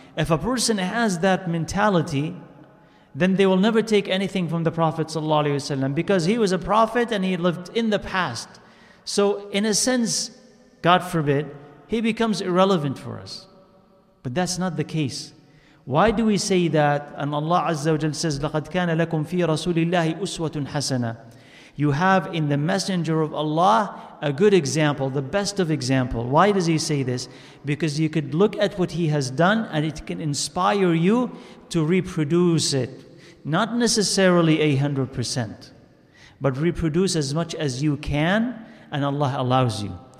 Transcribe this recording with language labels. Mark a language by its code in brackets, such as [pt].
[en] If a person has that mentality, then they will never take anything from the Prophet sallallahu alaihi wasallam, because he was a prophet and he lived in the past. So in a sense, God forbid, he becomes irrelevant for us. But that's not the case. Why do we say that? And Allah Azza wa Jalla says, [ar] لَقَدْ كَانَ لَكُمْ فِي رَسُولِ اللَّهِ أُسْوَةٌ حَسَنَةٌ. [en] You have in the Messenger of Allah a good example, the best of example. Why does he say this? Because you could look at what he has done and it can inspire you to reproduce it. Not necessarily 100%, but reproduce as much as you can, and Allah allows you.